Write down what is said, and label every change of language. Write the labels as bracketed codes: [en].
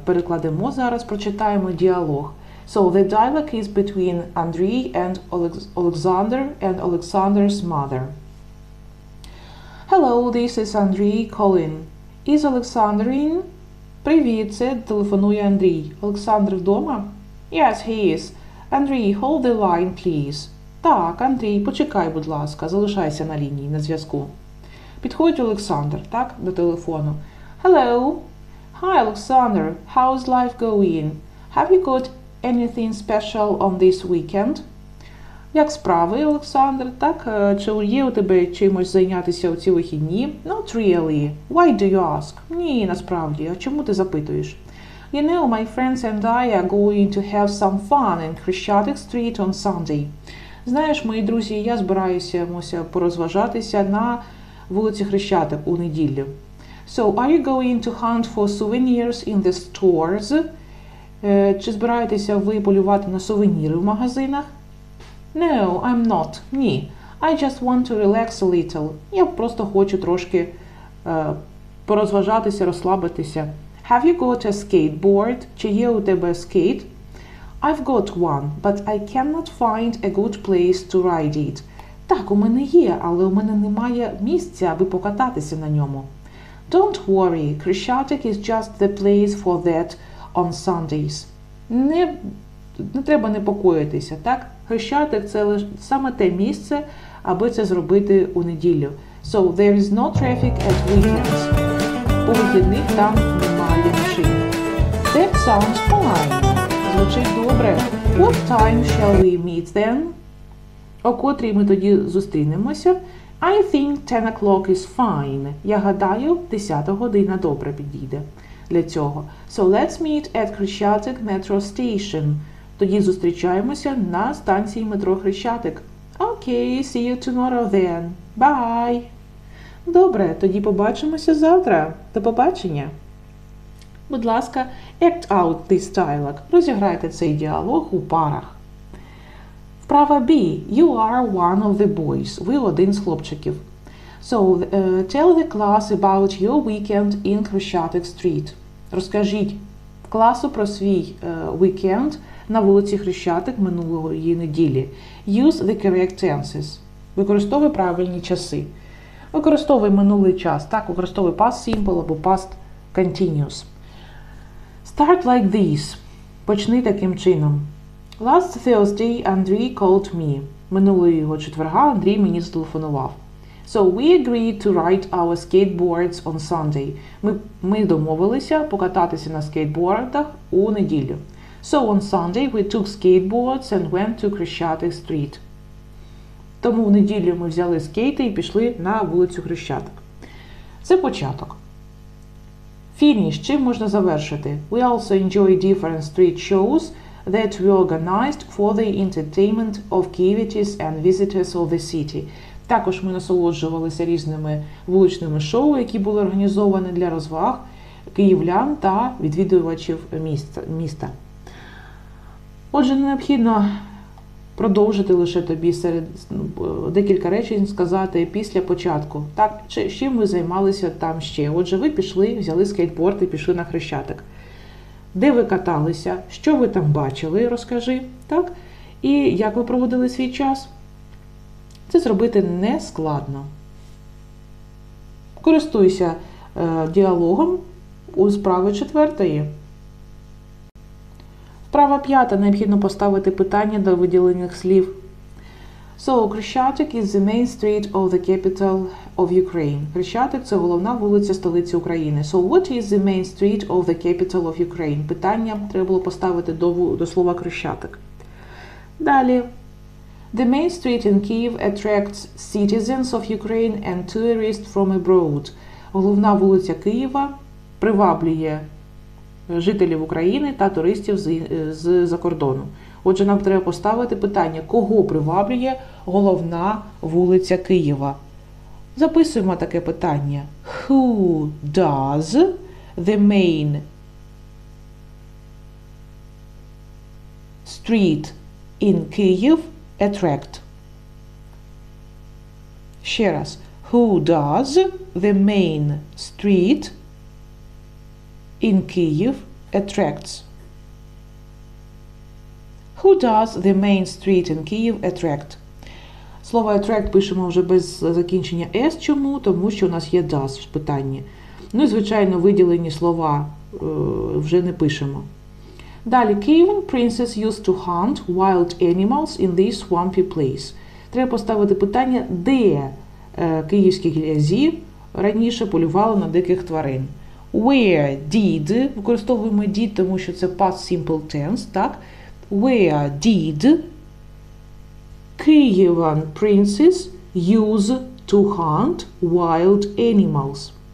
[uk] Перекладемо зараз, прочитаємо діалог. [en] So, the dialogue is between Andrei and Alexander and Alexander's mother. Hello, this is Andrei calling. Is Alexander in? [uk] Привіт, це телефонує Андрій. Олександр вдома? [en] Yes, he is. Андрій, hold the line, please. [uk] Так, Андрій, почекай, будь ласка, залишайся на лінії, на зв'язку. Підходить Олександр, так, до телефону. [en] Hello. Hi, Alexander. How's life going? Have you got anything special on this weekend? [uk] Як справи, Олександр? Так, чи є у тебе чимось зайнятися у ці вихідні? [en] Not really. Why do you ask? [uk] Ні, насправді. А чому ти запитуєш? [en] You know, my friends and I are going to have some fun in Krещатик Street on Sunday. [uk] Знаєш, мої друзі, я збираюся порозважатися на вулиці Хрещатик у неділю. [en] So, are you going to hunt for souvenirs in the stores? [uk] Чи збираєтеся ви полювати на сувеніри в магазинах? [en] No, I'm not. Ні. I just want to relax a little. [uk] Я просто хочу трошки порозважатися, розслабитися. [en] Have you got a skateboard? [uk] Чи є у тебе скейт? [en] I've got one, but I cannot find a good place to ride it. [uk] Так, у мене є, але у мене немає місця, аби покататися на ньому. [en] Don't worry, Krещатик is just the place for that on Sundays. [uk] Не треба непокоїтися, так? Хрещатик – це саме те місце, аби це зробити у неділю. [en] So, there is no traffic at weekends. [uk] У вихідних там немає машин. [en] That sounds fine. [uk] Звучить добре. [en] What time shall we meet then? [uk] О котрій ми тоді зустрінемося? [en] I think 10 o'clock is fine. [uk] Я гадаю, 10 година добре підійде для цього. [en] So, let's meet at Krещатик metro station. [uk] Тоді зустрічаємося на станції метро Хрещатик. [en] Окей, see you tomorrow then. Bye. [uk] Добре, тоді побачимося завтра. До побачення. Будь ласка, [en] act out this dialogue. [uk] Розіграйте цей діалог у парах. [en] Вправа B. You are one of the boys. [uk] Ви один з хлопчиків. [en] So, tell the class about your weekend in Krещатик Street. [uk] Розкажіть класу про свій weekend на вулиці Хрещатик минулої неділі. Use the correct tenses. Використовуй правильні часи. Використовуй минулий час. Так, використовуй past simple або past continuous. [en] Start like this. [uk] Почни таким чином. [en] Last Thursday Andrei called me. [uk] Минулого четверга Андрій мені зателефонував. [en] So we agreed to ride our skateboards on Sunday. [uk] Ми домовилися покататися на скейтбордах у неділю. [en] So on Sunday we took skateboards and went to Khreshchatyk Street. [uk] Тому в неділю ми взяли скейти і пішли на вулицю Хрещатик. Це початок. Фініш. Чим можна завершити? [en] We also enjoy different street shows that we organized for the entertainment of Kyivites and visitors of the city. [uk] Також ми насолоджувалися різними вуличними шоу, які були організовані для розваг київлян та відвідувачів міста. Отже, необхідно продовжити лише тобі серед декілька речей сказати після початку. Так, чим ви займалися там ще? Отже, ви пішли, взяли скейтборд і пішли на Хрещатик. Де ви каталися? Що ви там бачили, розкажи. Так? І як ви проводили свій час? Це зробити не складно. Користуйся діалогом у справи четвертої. Вправа п'ята. Необхідно поставити питання до виділених слів. [en] So, Khreshchatyk is the main street of the capital of Ukraine. [uk] Khreshchatyk – це головна вулиця столиці України. [en] So, what is the main street of the capital of Ukraine? [uk] Питання треба було поставити до слова Khreshchatyk. Далі. [en] The main street in Kyiv attracts citizens of Ukraine and tourists from abroad. [uk] Головна вулиця Києва приваблює жителів України та туристів з закордону. Отже, нам треба поставити питання, кого приваблює головна вулиця Києва. Записуємо таке питання. [en] Who does the main street in Kyiv attract? [uk] Ще раз. [en] Who does the main street in Kyiv attracts? Who does the main street in Kyiv attract? [uk] Слово attract пишемо вже без закінчення s. Чому? Тому що у нас є does в питанні. Ну і, звичайно, виділені слова вже не пишемо. [en] Далі. Kyivan princes used to hunt wild animals in this swampy place. [uk] Треба поставити питання, де київські князі раніше полювали на диких тварин. [en] Where did, [uk] використовуємо did, тому що це past simple tense, так? [en] Where did Kyivan princes use to hunt wild animals?